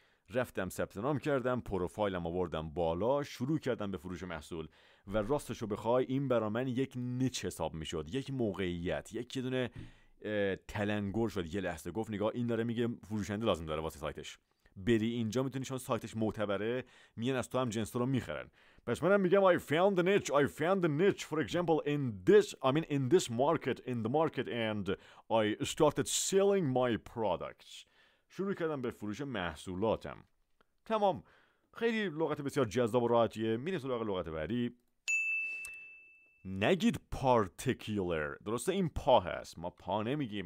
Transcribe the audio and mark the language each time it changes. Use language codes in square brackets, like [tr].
[fa] رفتم ثبت نام کردم، پروفایلم آوردم بالا، شروع کردم به فروش محصول و راستشو بخوای این برا من یک نیچ حساب میشد، یک موقعیت، یک دونه تلنگر شد. یه لحظه گفت نگاه، این داره میگه فروشنده لازم داره واسه سایتش، بری اینجا میتونی، چون سایتش معتبره، میان از تو هم جنس رو میخرن. پس منم میگم [en] I found the niche for example in this market and I started selling my products. [fa] شروع کردم به فروش محصولاتم. تمام. خیلی لغت بسیار جذاب و راحتیه. میریم سراغ لغت بعدی. نگید پارتیکولر. درسته این پا هست. ما پا نمیگیم.